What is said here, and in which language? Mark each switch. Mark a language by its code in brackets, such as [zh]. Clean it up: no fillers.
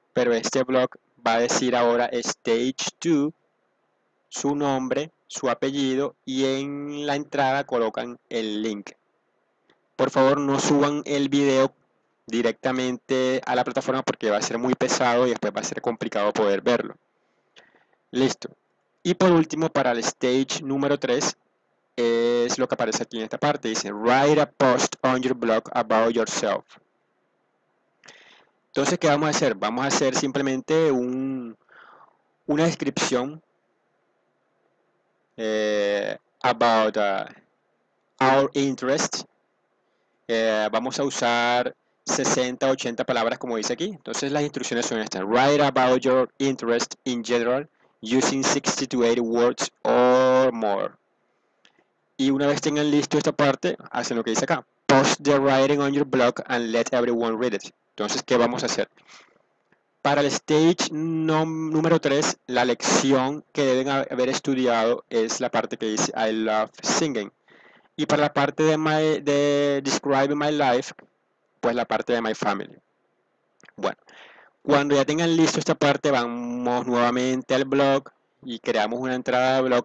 [es] Pero este blog va a decir ahora Stage 2, su nombre, su apellido y en la entrada colocan el link. Por favor, no suban el video directamente a la plataforma porque va a ser muy pesado y después va a ser complicado poder verlo. Listo. Y por último, para el stage número 3, es lo que aparece aquí en esta parte. Dice, [en] write a post on your blog about yourself. [es] Entonces, ¿qué vamos a hacer? Vamos a hacer simplemente una descripción. [en] About our interest. [es] Vamos a usar 60, 80 palabras como dice aquí. Entonces las instrucciones son estas. [en] Write about your interest in general using 60 to 80 words or more. [es] Y una vez tengan listo esta parte, hacen lo que dice acá. [en] Post the writing on your blog and let everyone read it. [es] Entonces, ¿qué vamos a hacer? Para el stage número 3, la lección que deben haber estudiado es la parte que dice I love singing. Y para la parte de describe my life, pues la parte de my family. Bueno, cuando ya tengan listo esta parte, vamos nuevamente al blog y creamos una entrada de blog.